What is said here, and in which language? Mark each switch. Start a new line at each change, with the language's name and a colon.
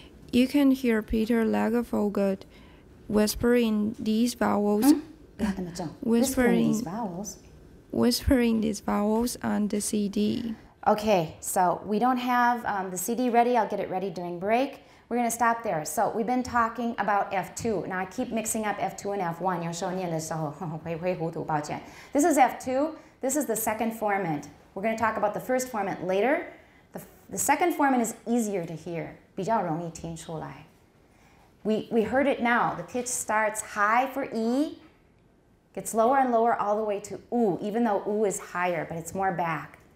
English: You can hear Peter Lagerfeld whispering these vowels. Whispering these vowels on the CD. Okay, so we don't have the CD ready. I'll get it ready during break. We're going to stop there. So we've been talking about F2. Now I keep mixing up F2 and F1.
Chinese: 有时候念的时候会糊涂，抱歉。
English: This is F2. This is the second formant. We're going to talk about the first formant later. The second formant is easier to hear.
Chinese: 比较容易听出来。
English: We heard it now. The pitch starts high for E, gets lower and lower all the way to U, even though U is higher, but it's more back.